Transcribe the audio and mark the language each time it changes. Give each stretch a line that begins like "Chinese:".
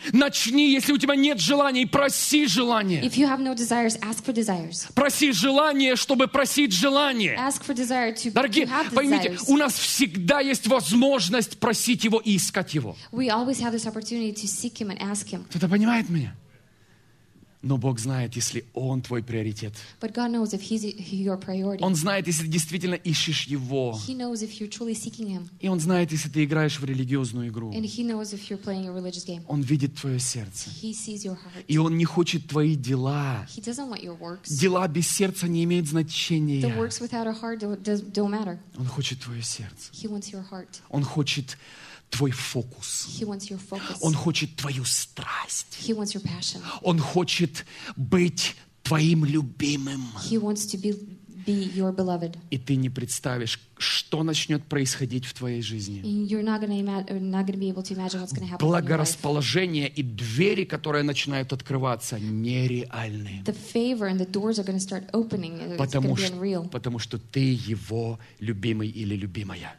Russian: Начни, если у тебя нет желания, и проси желание.
English: If you have no desires, ask for desires.
Russian: Проси желание, чтобы просить желание.
English: Ask for desire to
Russian: дорогие,
English: have desires.
Russian: Поймите, у нас всегда есть возможность просить его и искать его.
English: We always have this opportunity to seek him and ask him.
Russian: Кто-то понимает меня? Но Бог знает, если Он твой приоритет.
English: But God knows if he's your priority.
Russian: Он знает, если ты действительно ищешь Его.
English: He knows if you're truly seeking him.
Russian: И Он знает, если ты играешь в религиозную игру.
English: And he knows if you're playing a religious game.
Russian: Он видит твое сердце.
English: He sees your heart.
Russian: И Он не хочет твои дела.
English: He doesn't want your works.
Russian: Дела без сердца не имеют значения.
English: The works without a heart don't matter.
Russian: Он хочет твое сердце.
English: He wants your heart.
Russian: Он хочет твой фокус.
English: He wants your focus.
Russian: Он хочет твою страсть.
English: He wants your passion.
Russian: Он хочет быть твоим любимым.
English: He wants to be your beloved.
Russian: И ты не представишь, что начнет происходить в твоей жизни.
English: You're not gonna be able to imagine what's gonna happen.
Russian: Благорасположение и двери, которые начинают открываться, нереальны.
English: The favor and the doors are gonna start opening.
Russian: Потому что ты его любимый или любимая.